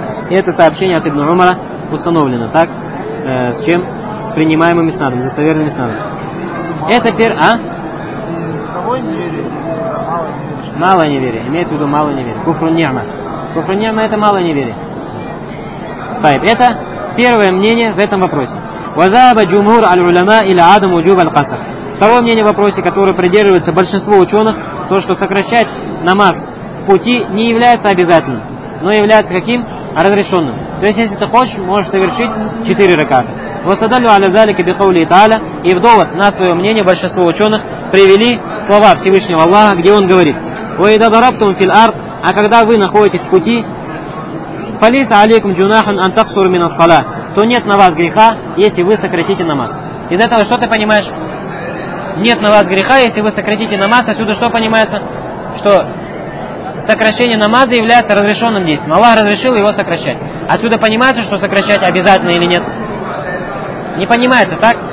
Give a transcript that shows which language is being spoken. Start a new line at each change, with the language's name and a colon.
Russian: И это сообщение от ибн Умара установлено. Так? С чем? С принимаемым иснадом, с достоверным иснадом. Это пер... А? Какое неверие? Малое неверие. Малое неверие. Имеет в виду малое неверие. Куфру-ниама. Куфру-ниама это малое неверие. Это первое мнение в этом вопросе.
Arabic: وذهب جمهور العلماء إلى عدم وجوب القصر.
Russian: Второе мнение в вопросе, которое придерживается большинство ученых, то, что сокращать намаз в пути не является обязательным, но является каким? Разрешенным. То есть, если ты хочешь, можешь совершить 4 раката.
Arabic: وَسَدَلُوا عَلَى ذَلِكَ بِقَوْلِ تَعَالَى.
Russian: И в довод на свое мнение большинство ученых привели слова Всевышнего Аллаха, где он говорит:
Arabic: وَإِذَا ضَرَبْتُمْ فِي الْأَرْضِ.
Russian: А когда вы находитесь в пути,
Arabic: فَلَيْسَ عَلَيْكُمْ جُنَاحٌ أَنْ تَقْصُرُوا مِنَ الصَّلَاةِ.
Russian: То нет на вас греха, если вы сократите намаз. Из этого что ты понимаешь? Нет на вас греха, если вы сократите намаз. Отсюда что понимается? Что сокращение намаза является разрешенным действием. Аллах разрешил его сокращать. Отсюда понимается, что сокращать обязательно или нет? Не понимается, так?